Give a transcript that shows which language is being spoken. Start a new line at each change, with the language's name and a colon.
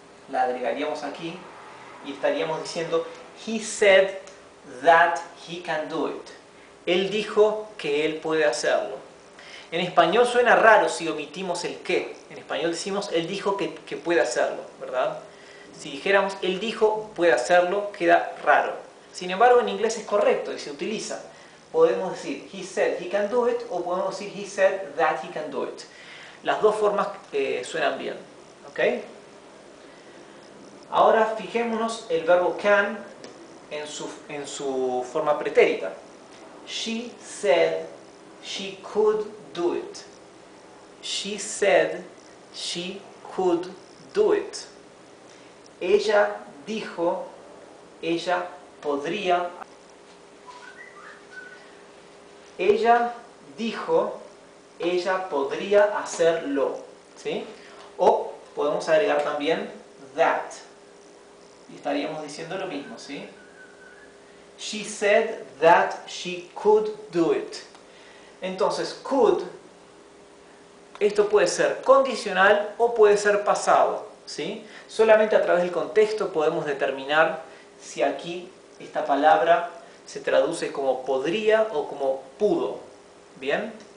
Spanish: La agregaríamos aquí y estaríamos diciendo,
English: he said that he can do it.
Spanish: Él dijo que él puede hacerlo. En español suena raro si omitimos el que. En español decimos, él dijo que puede hacerlo, ¿verdad? Si dijéramos, él dijo, puede hacerlo, queda raro. Sin embargo, en inglés es correcto y se utiliza. Podemos decir,
English: he said he can do it,
Spanish: o podemos decir,
English: he said that he can do it.
Spanish: Las dos formas suenan bien, ¿ok? Ahora, fijémonos el verbo can en su forma pretérita.
English: She said she could do it. She said she could do it.
Spanish: Ella dijo, ella podría. Ella dijo, ella podría hacerlo. ¿Sí? O podemos agregar también that. Y estaríamos diciendo lo mismo, ¿sí?
English: She said that she could do it.
Spanish: Entonces, could, esto puede ser condicional o puede ser pasado, ¿sí? Solamente a través del contexto podemos determinar si aquí esta palabra se traduce como podría o como pudo, ¿bien?